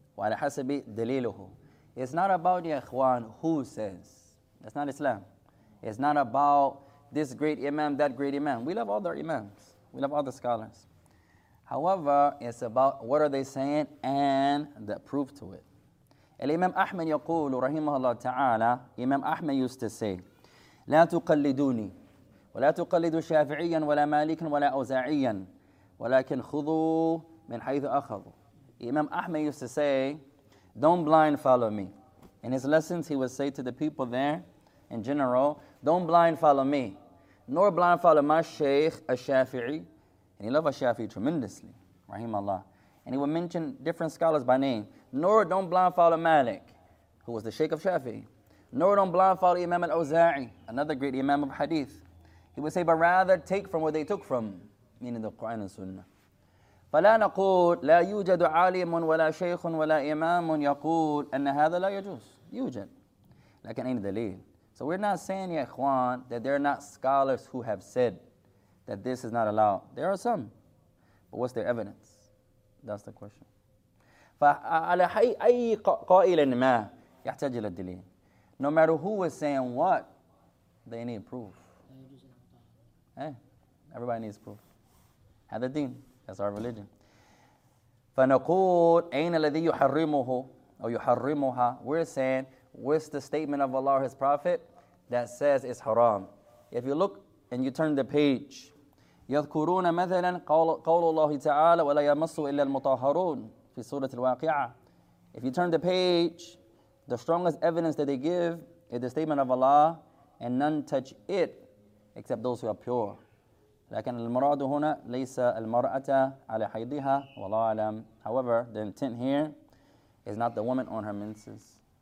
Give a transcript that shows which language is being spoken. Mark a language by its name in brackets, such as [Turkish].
[Arabic] وعلى حسب دليله. [English] It's not about [Arabic] يا إخوان [English] who says. That's not Islam. It's not about this great Imam, that great Imam. We love all the Imams. We love all the scholars. However, it's about what are they saying and the proof to it. [Arabic] الإمام أحمد يقول رحمه الله تعالى إمام أحمد [English] used to say [Arabic] لا تقلدوني ولا تقلدوا شافعيا ولا مالكا ولا أوزاعيا ولكن خذوا من حيث أخذوا. [English] إمام أحمد used to say don't blind follow me. In his lessons he would say to the people there in general, don't blind follow me nor blind follow my Shaykh الشافعي. And he loved Al-Shafi'i tremendously, rahimahullah. And he would mention different scholars by name. Nor don't blind follow Malik, who was the Shaykh of Shafi'i. Nor don't blind follow Imam Al-Auza'i, another great Imam of Hadith. He would say, but rather take from what they took from, meaning the Quran and Sunnah. [Arabic] فَلَا نَقُولُ لَا يُوجَدُ عَالِمٌ وَلَا شَيْخٌ وَلَا إِمَامٌ يَقُولُ أَنَّ هَذَا لَا يَجُوزُ يُوجَدُ لَكَنْ أَيْنِ دَلِيلٌ. [English] So we're not saying, ya ikhwan, that they're not scholars who have said that this is not allowed. There are some. But what's their evidence? That's the question. [Arabic] فَعَلَى أَيْ قَائِلٍ مَا يَحْتَجِ لَدِّلِينَ. [English] No matter who is saying what, they need proof. Hey, everybody needs proof. [Arabic] هذا الدين. [English] That's our religion. [Arabic] فَنَقُولْ أَيْنَ الَّذِي يُحَرِّمُهُ أو يُحَرِّمُهَا. [English] We're saying, what's the statement of Allah, His Prophet, that says it's haram? If you look and you turn the page, [Arabic] يذكرون مثلا قول الله تعالى ولا يمس إلا المطهرون في سورة الواقعة. [English] If you turn the page, the strongest evidence that they give is the statement of Allah, and none touch it except those who are pure. [Arabic] لكن المراد هنا ليس المرأة على حيضها والله أعلم. [English] However, the intent here is not the woman on her menses.